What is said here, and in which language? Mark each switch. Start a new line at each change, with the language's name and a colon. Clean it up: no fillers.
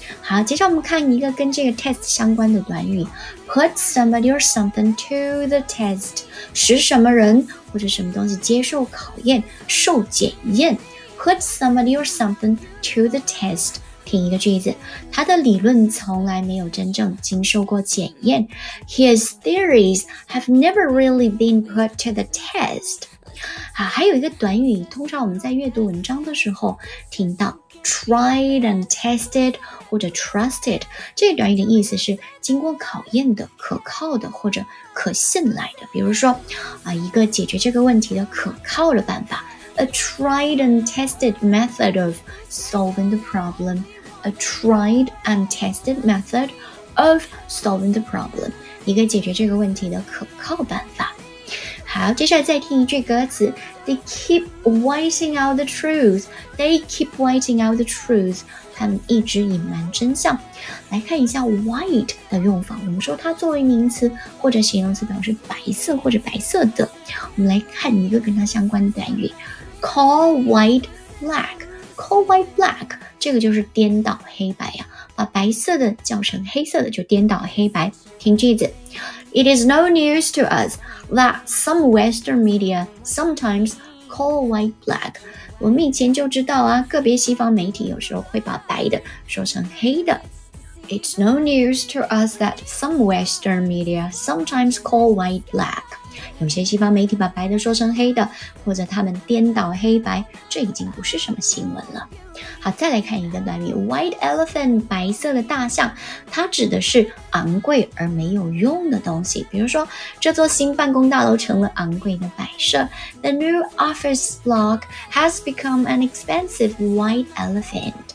Chinese: 好接下来我们看一个跟这个 test 相关的短语 ,
English: put somebody or something to the test,
Chinese: 使什么人或者什么东西接受考验受检验 ,put somebody or something to the test. 听一个句子，他的理论从来没有真正经受过检验。
English: His theories have never really been put to the test.
Chinese: 啊，还有一个短语，通常我们在阅读文章的时候听到
English: tried and tested
Chinese: 或者 trusted 这个短语的意思是经过考验的、可靠的或者可信赖的。比如说，啊，一个解决这个问题的可靠的办法。
English: A tried and tested method of solving the problem. A tried and tested method of solving the problem.
Chinese: 一个解决这个问题的可靠办法。好，接下来再听一句歌词。
English: They keep waiting out the truth. They keep waiting out the truth.
Chinese: 他们一直隐瞒真相。来看一下 white 的用法。我们说它作为名词或者形容词表示白色或者白色的。我们来看一个跟它相关的短语。
English: Call white black. Call white black.
Chinese: 这个就是颠倒黑白啊。把白色的叫成黑色的就颠倒黑白。听句子。
English: It is no news to us that some Western media sometimes call white black.
Chinese: 我们以前就知道啊个别西方媒体有时候会把白的说成黑的。
English: It's no news to us that some Western media sometimes call white black.
Chinese: 有些西方媒体把白的说成黑的或者他们颠倒黑白这已经不是什么新闻了。好再来看一个短语 White elephant 白色的大象它指的是昂贵而没有用的东西。比如说这座新办公大楼成了昂贵的摆设。
English: The new office block has become an expensive white elephant.